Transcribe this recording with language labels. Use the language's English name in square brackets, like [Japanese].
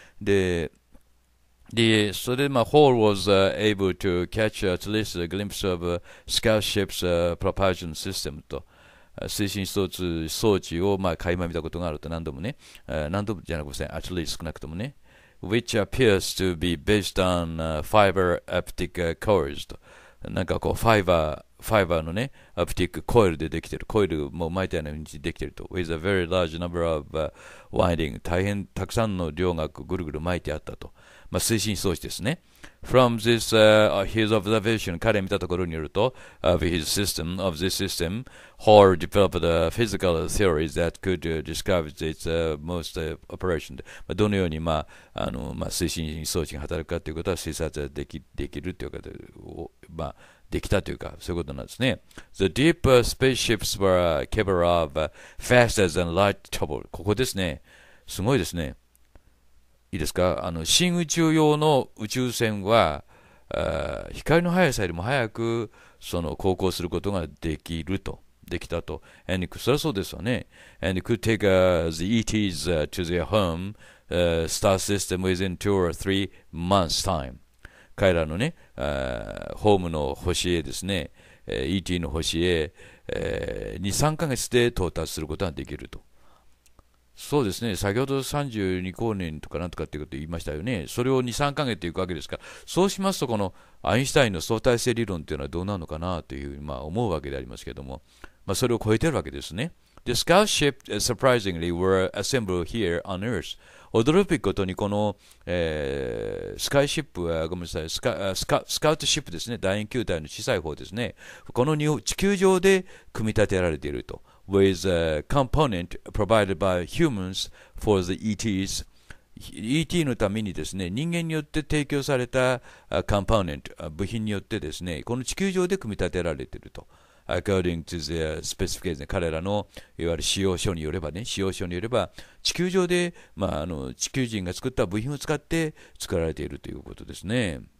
[Japanese] で、 [English] それで、まあ、Hall was able to catch at least a glimpse of a scout ship's propulsion system と。 [Japanese] 推進装置を、まあ、垣間見たことがあると何度もね、何度もじゃなくて、あちらに少なくともね、 [English] which appears to be based on fiber optic cores と、 [Japanese] なんかこう、ファイバーのね、オプティックコイルでできてる、コイルも巻いたような感じでできてると、 [English] with a very large number of winding、 [Japanese] 大変たくさんの量がぐるぐる巻いてあったと、まあ、推進装置ですね。 [English] From this, his observation, [Japanese] 彼が見たところによると、 [English] of this system, Hall developed a physical theory that could describe its most operation. [Japanese] どのように、まあ、推進装置が働くかということは推察できるということを、まあ、できたというか、そういうことなんですね。 [English] The deep spaceships were capable of faster than light travel. [Japanese] ここですね。すごいですね。いいですか、新宇宙用の宇宙船は、光の速さよりも早くその航行することができると、できたと。 [English] And it could, [Japanese] そりゃそうですよね。 [English] And it could take the ETs to their home star system within 2 or 3 months time. [Japanese] 彼らのね、ホームの星へですね、ET の星へ、2、3ヶ月で到達することができると。そうですね、先ほど32光年とかなんとかっていうことを言いましたよね。それを2、3ヶ月いくわけですから、そうしますとこのアインシュタインの相対性理論っていうのはどうなのかなというふうに、まあ、思うわけでありますけども、まあ、それを超えてるわけですね。 [English] The scout ship surprisingly were assembled here on Earth. [Japanese] 驚くべきことにこの、スカイシップはごめんなさい、スカウトシップですね、楕円球体の小さい方ですね、この地球上で組み立てられていると、 [English] With a component provided by humans for the ETs. [Japanese] ET のためにですね、人間によって提供されたコンポーネント、部品によってですね、この地球上で組み立てられていると。 [English] According to their specification, [Japanese] 彼らのいわゆる使用書によればね、使用書によれば、地球上で、まあ、地球人が作った部品を使って作られているということですね。